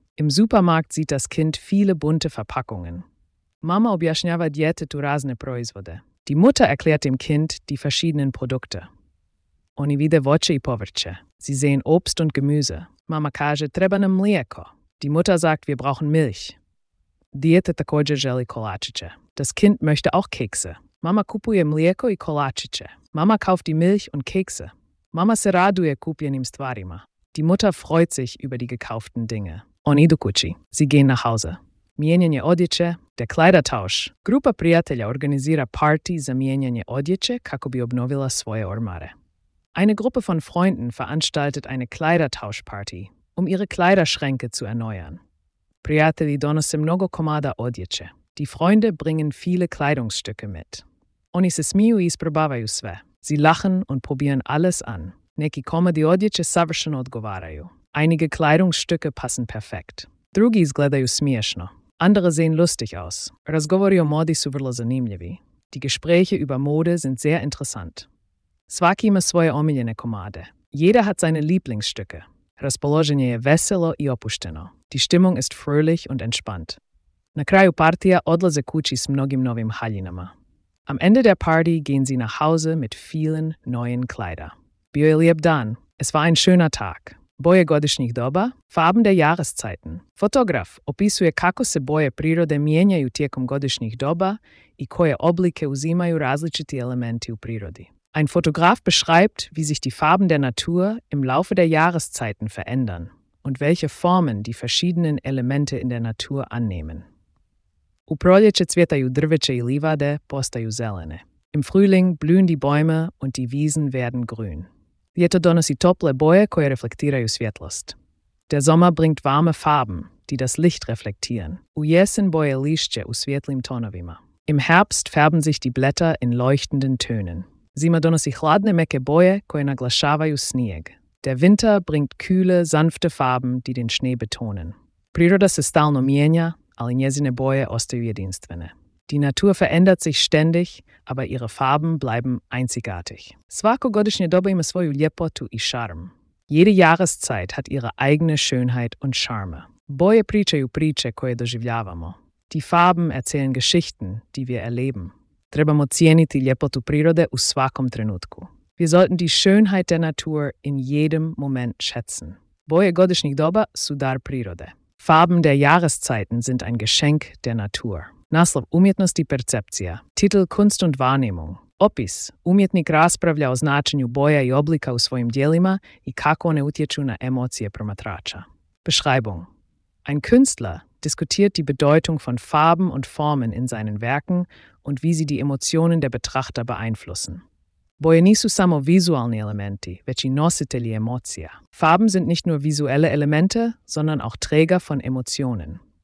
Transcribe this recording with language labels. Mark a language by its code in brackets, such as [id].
[de] Im Supermarkt sieht das Kind viele bunte Verpackungen. [hr] Mama objašnjava djetetu razne proizvode. [de] Die Mutter erklärt dem Kind die verschiedenen Produkte. [hr] Oni vide voće i povrće. [de] Sie sehen Obst und Gemüse. [hr] Mama kaže treba nam mlijeko. [de] Die Mutter sagt, wir brauchen Milch. [hr] Dijete također želi kolačiće. [de] Das Kind möchte auch Kekse. [hr] Mama kupuje mlijeko i kolačiće. [de] Mama kauft die Milch und Kekse. [hr] Mama se raduje kupljenim stvarima. [de] Die Mutter freut sich über die gekauften Dinge. [hr] Oni idu kući. [de] Sie gehen nach Hause. [hr] Mijenjanje odjeće, [de] der Kleidertausch. [hr] Grupa prijatelja organizira party za mijenjanje odjeće kako bi obnovila svoje ormare. [de] Eine Gruppe von Freunden veranstaltet eine Kleidertauschparty, um ihre Kleiderschränke zu erneuern. [hr] Prijatelji donose mnogo komada odjeće. [de] Die Freunde bringen viele Kleidungsstücke mit. [hr] Oni se smiju i isprobavaju sve. [de] Sie lachen und probieren alles an. [hr] Neki komadi odjeće savršeno odgovaraju. [de] Einige Kleidungsstücke passen perfekt. [hr] Drugi izgledaju smiješno. [de] Andere sehen lustig aus. [hr] Razgovori o modi su vrlo zanimljivi. [de] Die Gespräche über Mode sind sehr interessant. [hr] Svaki ima svoje omiljene komade. [de] Jeder hat seine Lieblingsstücke. [hr] Raspoloženje je veselo i opušteno. [de] Die Stimmung ist fröhlich und entspannt. [hr] Na kraju partija odlaze kući s mnogim novim haljinama. [de] Am Ende der Party gehen sie nach Hause mit vielen neuen Kleider. [hr] Bio je lijep dan. [de] Es war ein schöner Tag. [hr] Boje godišnjih doba, [de] farben der Jahreszeiten. [hr] Fotograf opisuje kako se boje prirode mijenjaju tijekom godišnjih doba i koje oblike uzimaju različiti elementi u prirodi. [de] Ein Fotograf beschreibt, wie sich die Farben der Natur im Laufe der Jahreszeiten verändern und welche Formen die verschiedenen Elemente in der Natur annehmen. [hr] U proljeće cvjetaju drveće i livade postaju zelene. [de] Im Frühling blühen die Bäume und die Wiesen werden grün. [hr] Ljeto donosi tople boje koje reflektiraju svjetlost. [de] Der Sommer bringt warme Farben, die das Licht reflektieren. [hr] U jesen boje lišće u svjetlim tonovima. [de] Im Herbst färben sich die Blätter in leuchtenden Tönen. [hr] Zima donosi hladne meke boje koje naglašavaju snijeg. [de] Der Winter bringt kühle, sanfte Farben, die den Schnee betonen. [hr] Priroda se stalno mijenja, ali njezine boje ostaju jedinstvene. [de] Die Natur verändert sich ständig, aber ihre Farben bleiben einzigartig. [hr] Svako godišnje doba ima svoju ljepotu i šarm. [de] Jede Jahreszeit hat ihre eigene Schönheit und Charme. [hr] Boje pričaju priče koje doživljavamo. [de] Die Farben erzählen Geschichten, die wir erleben. [hr] Trebamo cijeniti ljepotu prirode u svakom trenutku. [de] Wir sollten die Schönheit der Natur in jedem Moment schätzen. [hr] Boje godišnjih doba su dar prirode. [de] Farben der Jahreszeiten sind ein Geschenk der Natur. [hr] Naslov Umjetnost i percepcija. [de] Titel Kunst und Wahrnehmung. [hr] Opis. Umjetnik raspravlja o značenju boja i oblika u svojim djelima i kako one utječu na emocije promatrača. [de] Beschreibung. Ein Künstler diskutiert die Bedeutung von Farben und Formen in seinen Werken und wie sie die Emotionen der Betrachter beeinflussen. [hr] Boje nisu samo vizualni elementi, već i nositelji emocija. [de] Farben sind nicht nur visuelle Elemente, sondern auch Träger von Emotionen.